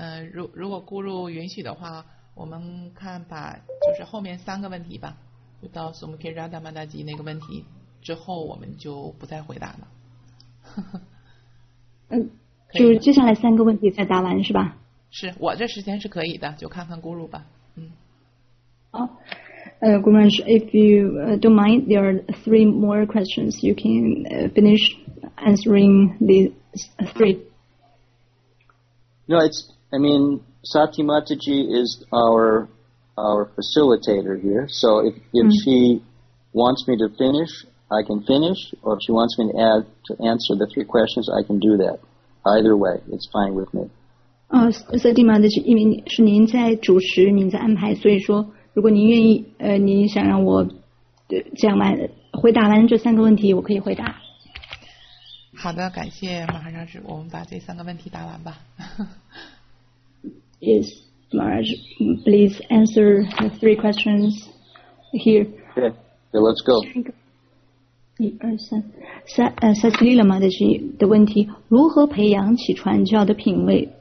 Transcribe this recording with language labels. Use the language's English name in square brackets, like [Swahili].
[Chinese] 如果咕噜允许的话，我们看把就是后面三个问题吧，就到苏姆克扎达曼达吉那个问题之后，我们就不再回答了。就是接下来三个问题再答完是吧？是我这时间是可以的，就看看咕噜吧。好。 [English] Gurmansh, if you don't mind, there are three more questions. You can finish answering these three. No, Sati Mataji is our facilitator here. So if she wants me to finish, I can finish. Or if she wants me to answer the three questions, I can do that. Either way, it's fine with me. [Chinese] Sati Mataji, 因为是您在主持，您在安排，所以说如果您愿意，您想让我讲完回答完这三个问题，我可以回答。好的，感谢马哈扎什，我们把这三个问题答完吧。 [English] Yes, Maharaj, please answer the three questions here. Okay, let's go. [Chinese] 一二三，萨斯利拉玛的是的问题，如何培养起传教的品味？